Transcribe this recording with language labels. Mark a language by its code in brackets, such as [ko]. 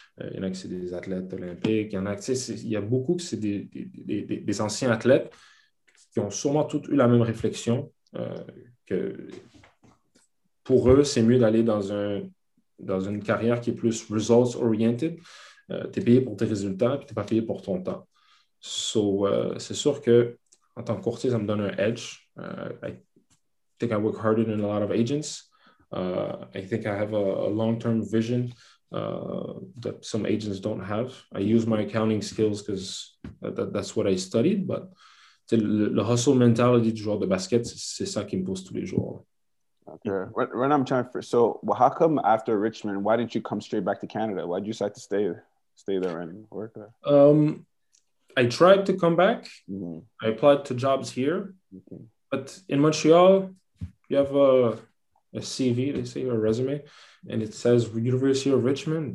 [fr] Il y en a qui sont des athlètes olympiques. Il y a beaucoup qui sont des anciens athlètes qui ont sûrement tous eu la même réflexion que pour eux, c'est mieux d'aller dans une carrière qui est plus results-oriented. Tu es payé pour tes résultats et tu n'es pas payé pour ton temps. So, c'est sûr que en tant que courtier, ça me donne un edge. [en] I think I work harder than a lot of agents. I think I have a long-term vision that some agents don't have. I use my accounting skills because that's what I studied. But [fr] c'est le hustle mentality du joueur de basket, c'est ça qui me pousse tous les jours. [en] Okay. Right now I'm trying for, so well, how come after Richmond, why didn't you come straight back to Canada? Why did you decide to stay there and work there? I tried to come back. Mm-hmm. I applied to jobs here. Mm-hmm. But in Montreal, you have a CV, they say, or a resume, and it says University of Richmond.